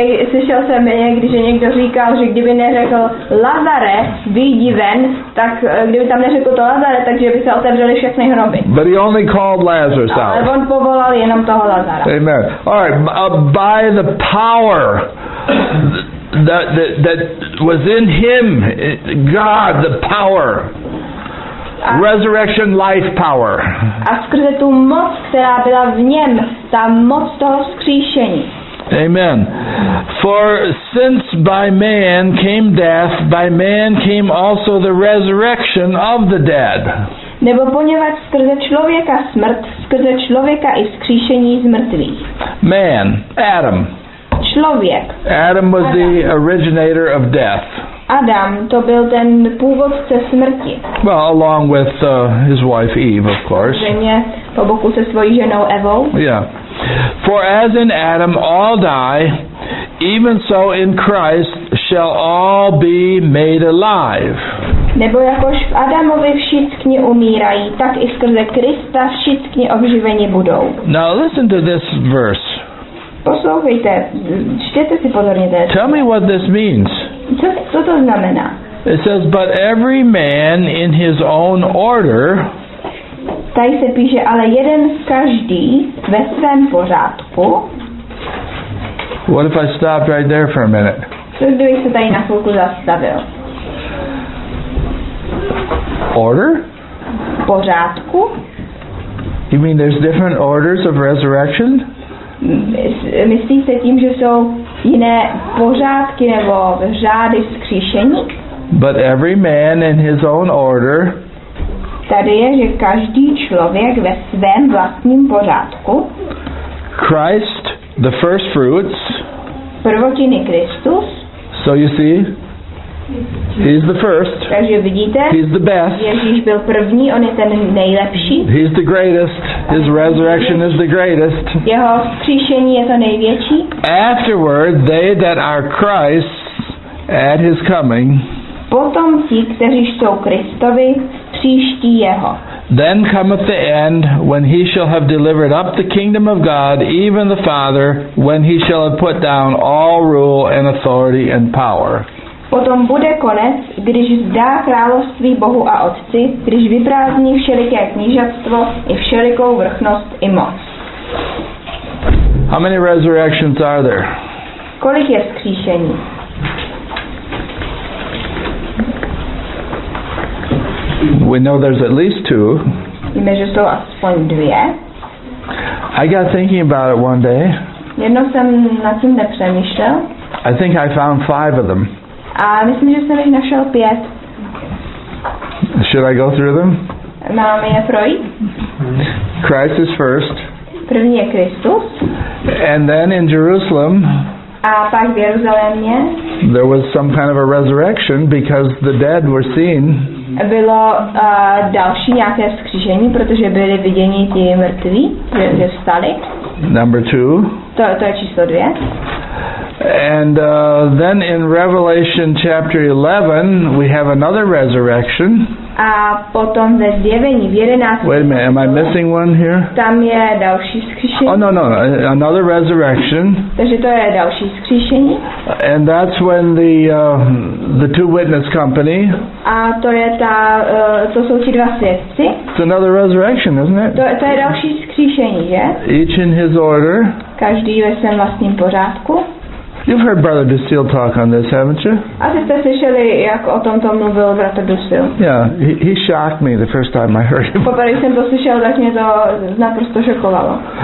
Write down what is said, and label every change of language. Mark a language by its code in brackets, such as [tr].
[cs] Slyšel jsem někdy, že někdo říkal, že kdyby neřekl Lazare, vyjdi ven, tak kdyby tam neřekl to Lazare, takže by se otevřely všechny hroby. [en] But he only called Lazarus out. [cs] Ale on povolal jenom toho Lazara. Amen. [en] All right, by the power that was in him, God, the power, resurrection life power. [cs] A skrze tu moc, která byla v něm, ta moc toho vzkříšení. Amen. [en] For since by man came death, by man came also the resurrection of the dead. [cs] Nebo poněvadž skrze člověka smrt, skrze člověka i vzkříšení z mrtvých. [en] Man, Adam. [cs] Člověk. [en] Adam was the originator of death. [cs] Adam, to byl ten původce smrti. [en] Well, along with his wife Eve, of course. [cs] Zřejmě po boku se svojí ženou Evou. [en] Yeah. For as in Adam all die, even so in Christ shall all be made alive. [cs] Nebo jakož v Adamovi všichni umírají, tak i skrze Krista všichni obživeni budou. [en] Now listen to this verse. [cs] Poslouchejte, čtěte si pozorně ten. [en] Tell me what this means. [cs] Co to znamená? [en] It says, but every man in his own order. [cs] Tady se píše, ale jeden každý ve svém pořádku. [en] What if I stopped right there for a minute? [cs] Co kdybych se tady na chvilku zastavil? [en] Order? [cs] Pořádku? [en] You mean there's different orders of resurrection? [cs] Myslíš se tím, že jsou jiné pořádky nebo řády vzkříšení? [en] But every man in his own order. [cs] Tady je, že každý člověk ve svém vlastním pořádku. [en] Christ, the first fruits. [cs] Prvotiny Kristus. [en] So you see, he's the first. [cs] Takže vidíte, [en] he's the best. [cs] Ježíš byl první, on je ten nejlepší. [en] He's the greatest. His resurrection is the greatest. [cs] Jeho vzkříšení je to největší. [en] Afterward, they that are Christ's at his coming. [cs] Potom ti, kteří jsou Kristovi, příští jeho. [en] Then cometh the end, when he shall have delivered up the kingdom of God, even the Father, when he shall have put down all rule and authority and power. [cs] Potom bude konec, když vzdá království Bohu a Otci, když vyprázdní všeliké knížatstvo i všelikou vrchnost i moc. [en] How many resurrections are there? [cs] Kolik je vzkříšení? [en] We know there's at least two. [cs] Víme, že jsou aspoň dvě. [en] I got thinking about it one day. [cs] Jednou jsem nad tím nepřemýšlel. [en] I think I found five of them. [cs] A myslím, že jsem jich našel pět. [en] Should I go through them? [cs] Máme je projít. [en] Christ is first. [cs] První je Kristus. [en] And then in Jerusalem. [cs] A pak v Jeruzalémě. [en] There was some kind of a resurrection because the dead were seen. [cs] Bylo další nějaké vzkříšení, protože byli viděni ti mrtví, že vstali. [en] Number two. [cs] To je číslo dvě. [en] And then in Revelation chapter 11, we have another resurrection. [cs] A potom ve zjevení v 11. [en] Wait a minute, am I missing one here? [cs] Tam je další vzkříšení. [en] Oh, no, another resurrection. [cs] Takže to je další vzkříšení. [en] And that's when the two witness company. [cs] A to je ta, to jsou ti dva svědci. [en] It's another resurrection, isn't it? [cs] To je další vzkříšení, je? [en] Each in his order. [cs] Každý ve svém vlastním pořádku. [en] You've heard Brother Dusil talk on this, haven't you? [cs] Asi jste slyšeli, jak o tom mluvil bratr Dusil. [en] Yeah, he shocked me the first time I heard him. [cs] Poprvé jsem to slyšel, tak mě to naprosto šokovalo.